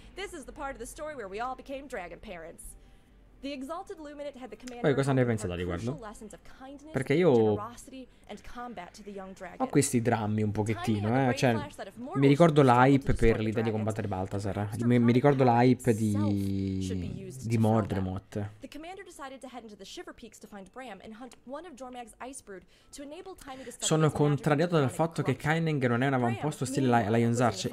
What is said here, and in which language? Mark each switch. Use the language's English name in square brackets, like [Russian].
[English] This is the part of the story where we all became dragon parents. The exalted luminate had the commander. [Italian] Poi cosa ne pensa da riguardo? Perché io ho questi drammi un pochettino, cioè mi ricordo l'hype per l'idea di combattere Balthazar, mi ricordo l'hype di Mordremoth. [English] The commander decided to head into the Shiver Peaks to find Bram and hunt one of Dormag's icebrood to enable Tiny to. [Italian] Sono contrariato dal fatto che Kaineng non è un avamposto stile Lion's Arch.